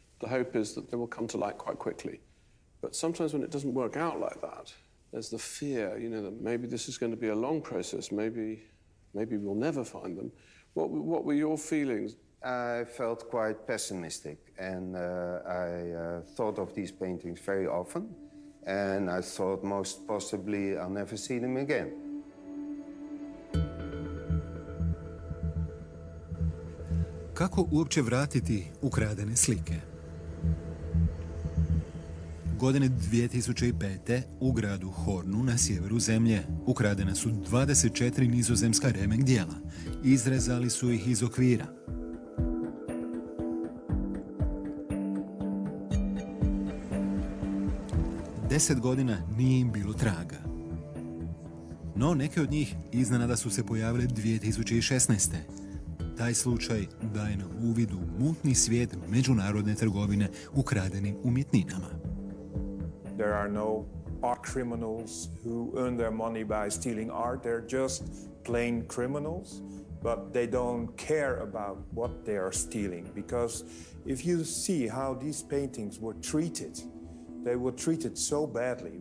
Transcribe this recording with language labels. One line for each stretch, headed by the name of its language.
English: The hope is that they will come to light quite quickly. But sometimes when it doesn't work out like that, there's the fear, you know, that maybe this is going to be a long process, maybe we'll never find them. What were your feelings? I felt quite pessimistic, and I thought of these paintings very often, and I thought most possibly I'll never see them again.
Croatian: Kako uopće vratiti ukradene slike? Godine 2005. u gradu Hornu na sjeveru zemlje ukradena su 24 nizozemska remek-djela. Izrezali su ih iz okvira. Deset godina nije im bilo traga. No neke od njih iznenada su se pojavile 2016. Taj slučaj daje nam uvid u mutni svijet međunarodne trgovine ukradenim umjetninama.
English: There are no art criminals who earn their money by stealing art. They're just plain criminals, but they don't care about what they are stealing. Because if you see how these paintings were treated, they were treated so badly.